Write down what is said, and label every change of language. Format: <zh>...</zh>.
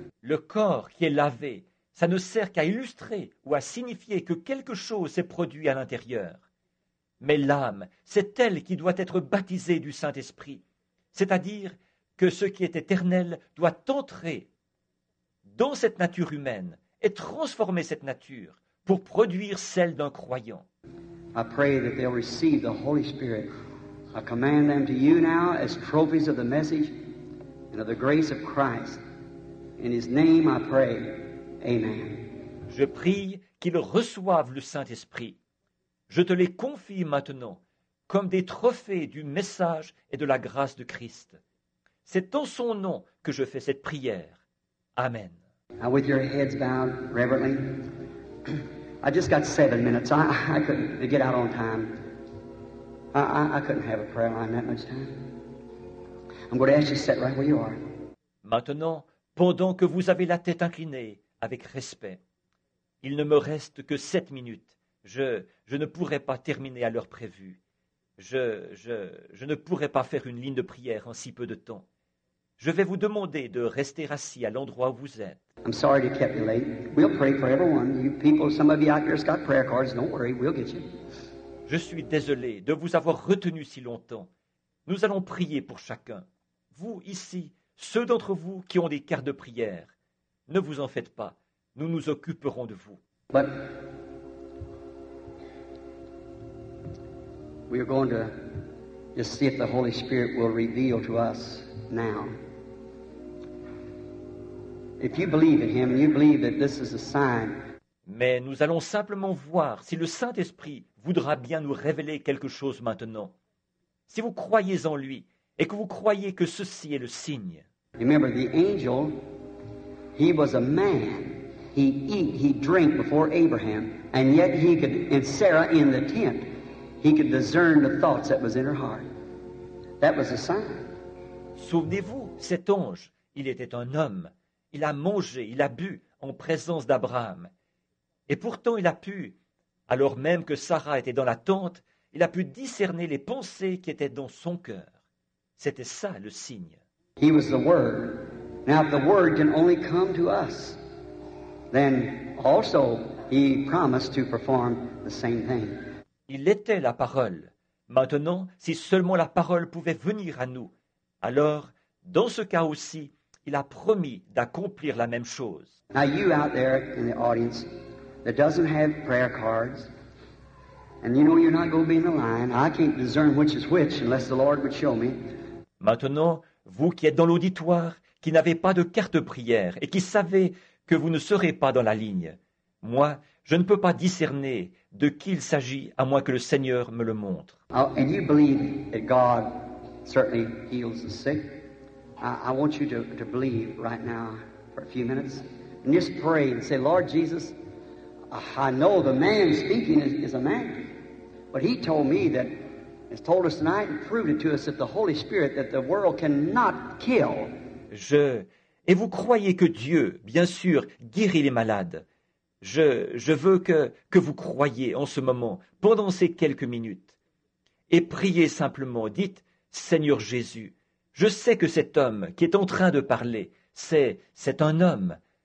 <fr>Le corps qui est lavé, ça ne sert qu'à illustrer ou à signifier que quelque chose s'est produit à l'intérieur. Mais l'âme, c'est elle qui doit être baptisée du Saint-Esprit. C'est-à-dire que ce qui est éternel doit entrer dans cette nature humaine et transformer cette nature pour produire celle d'un croyant.</fr> <en>I pray that they'll receive the Holy Spirit. I command them to you now as trophies of the message and of the grace of Christ. In his name I pray. Amen.</en> <fr>Je prie qu'ils reçoivent le Saint-Esprit. Je te les confie maintenant comme des trophées du message et de la grâce de Christ. C'est en son nom que je fais cette prière. Amen.</fr> <en>Now with your heads bowed reverently, I just got 7 minutes. I couldn't get out on time. I couldn't have a prayer line that much time. I'm going to ask you to sit right where you are.</en> <fr>Maintenant, pendant que vous avez la tête inclinée, avec respect, il ne me reste que 7 minutes. Je ne pourrai pas terminer à l'heure prévue. Je ne pourrai pas faire une ligne de prière en si peu de temps. Je vais vous demander de rester assis à l'endroit où vous êtes.</fr> <en>I'm sorry to keep you late. We'll pray for everyone. You people, some of you out here have got prayer cards. Don't worry, we'll get you.</en> <fr>Je suis désolé de vous avoir retenu si longtemps. Nous allons prier pour chacun. Vous, ici, ceux d'entre vous qui ont des cartes de prière, ne vous en faites pas. Nous nous occuperons de vous.</fr> <en>But we are going to just see if the Holy Spirit will reveal to us now. If you believe in him, you believe that this is a sign.</en> <fr>Mais nous allons simplement voir si le Saint-Esprit voudra bien nous révéler quelque chose maintenant. Si vous croyez en lui et que vous croyez que ceci est le signe.</fr> <en>Remember, the angel, he was a man. He eat, he drank before Abraham, and yet he could, and Sarah in the tent, he could discern the thoughts that was in her heart. That was a sign.</en> <fr>Souvenez-vous, cet ange, il était un homme. Il a mangé, il a bu en présence d'Abraham. Et pourtant, il a pu, alors même que Sarah était dans la tente, il a pu discerner les pensées qui étaient dans son cœur. C'était ça, le signe.</fr> <en>He was the Word. Now, if the Word can only come to us, then also he promised to perform the same thing.</en> <fr>Il était la parole. Maintenant, si seulement la parole pouvait venir à nous, alors, dans ce cas aussi, il a promis d'accomplir la même chose.</fr> <en>Now, you out there in the audience that doesn't have prayer cards, and you know you're not going to be in the line, I can't discern which is which unless the Lord would show me.</en> <fr>Maintenant, vous qui êtes dans l'auditoire, qui n'avez pas de carte prière et qui savez que vous ne serez pas dans la ligne, moi, je ne peux pas discerner de qui il s'agit à moins que le Seigneur me le montre.</fr> <en>And you believe that God certainly heals the sick. I want you to believe right now for a few minutes and just pray and say, Lord Jesus, I know the man speaking is a man, but he told me that, has told us tonight and proved it to us that the Holy Spirit, that the world cannot kill,</en> <fr>Et vous croyez que Dieu, bien sûr, guérit les malades. Je veux que vous croyiez en ce moment, pendant ces quelques minutes. Et priez simplement, dites, Seigneur Jésus, je sais que cet homme qui est en train de parler, c'est un homme.</fr>